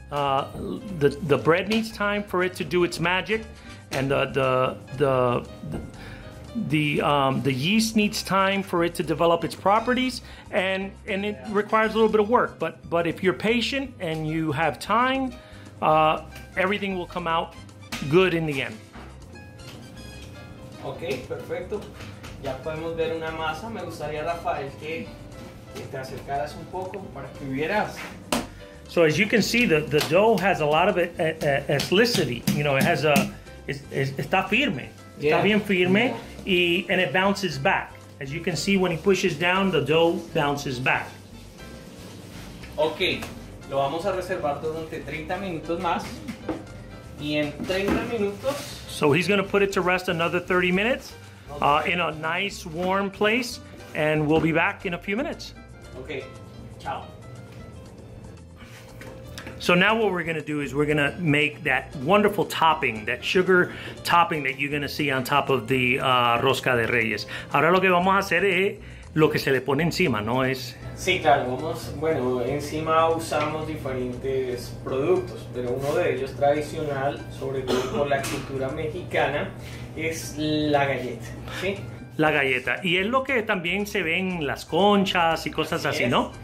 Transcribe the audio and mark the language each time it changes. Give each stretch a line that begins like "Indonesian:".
English: The bread needs time for it to do its magic, and the yeast needs time for it to develop its properties, and it requires a little bit of work. But if you're patient and you have time, everything will come out good in the end.
Spanish: Ok, perfecto. Ya podemos ver una masa. Me gustaría, Rafael, que te acercaras un poco para que vieras.
English: So as you can see, the dough has a lot of elasticity. You know, it has a
Spanish: está firme. Está bien firme.
English: And it bounces back. As you can see, when he pushes down, the dough bounces back.
Spanish: Ok, lo vamos a reservar durante 30 minutos más. Y en 30 minutos,
English: so he's going to put it to rest another 30 minutes in a nice warm place, and we'll be back in a few minutes. Okay, ciao. So now what we're going to do is we're going to make that wonderful topping, that sugar topping that you're going to see on top of the rosca de Reyes.
Spanish: Ahora lo que vamos a hacer es lo que se le pone encima, ¿no es? Sí, claro, encima usamos diferentes productos, pero uno de ellos tradicional, sobre todo por la cultura mexicana, es la galleta, ¿sí? La galleta, y es lo que también se ve en las conchas y cosas así, ¿no?